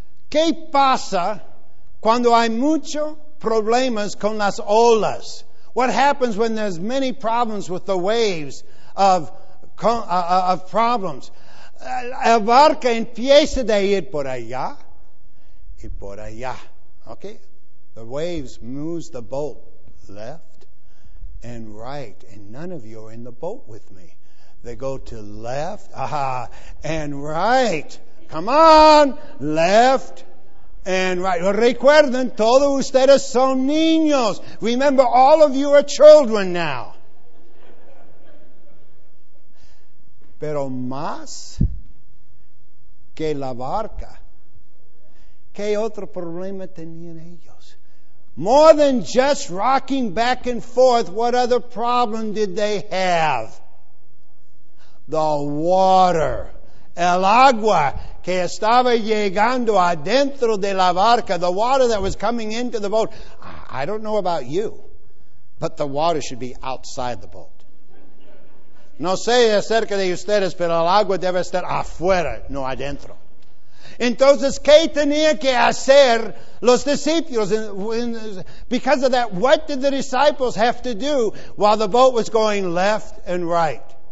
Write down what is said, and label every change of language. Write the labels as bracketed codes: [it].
[es] ¿Qué pasa cuando hay muchos problemas con las olas? [en] What happens when there's many problems with the waves of problems? [es] La barca empieza a ir por allá. Y por allá, okay? [en] The waves moves the boat left and right, and none of you are in the boat with me. They go to left, and right. Come on, left and right. [es] Recuerden, todos ustedes son niños. [en] Remember, all of you are children now. [es] Pero más que la barca, ¿qué otro problema tenían ellos? [en] More than just rocking back and forth, what other problem did they have? The water. [es] El agua que estaba llegando adentro de la barca. [en] The water that was coming into the boat. I don't know about you, but the water should be outside the boat. [es] No sé acerca de ustedes, pero el agua debe estar afuera, no adentro. Entonces, ¿qué tenía que hacer los discípulos? [en] Because of that, what did the disciples have to do while the boat was going left and right?